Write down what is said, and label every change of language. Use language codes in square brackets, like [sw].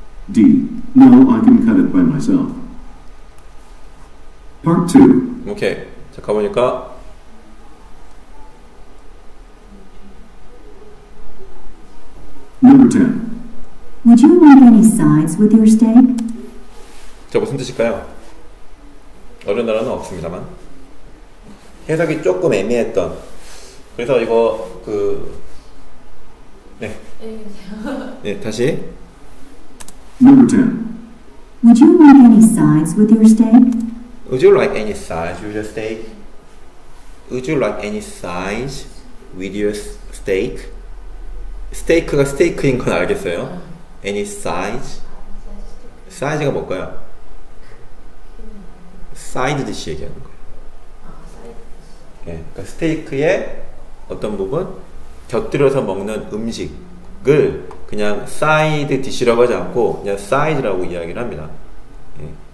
[en] D. No, I can cut it by myself. Part 2. [ko] Okay. 자, 가보니까 [en] Number 10. Would you want any sides with your steak? [ko] 자, 무슨 뜻일까요? 어려운 단어는 없습니다만 해석이 조금 애매했던 그래서 이거 그 네 네 다시 [en] Number 10 Would you like any sides with your steak? Would you like any sides with your steak? Would you like any sides with your steak? [ko] 스테이크가 스테이크인 건 알겠어요. [en] Any size? [ko] 사이즈가 뭘까요? 사이드 디시 얘기하는 거예요. 아, 사이드 디시. 예, 그러니까 스테이크의 어떤 부분 곁들여서 먹는 음식을 그냥 사이드 디시라고 하지 않고 그냥 사이즈라고 이야기를 합니다. 예.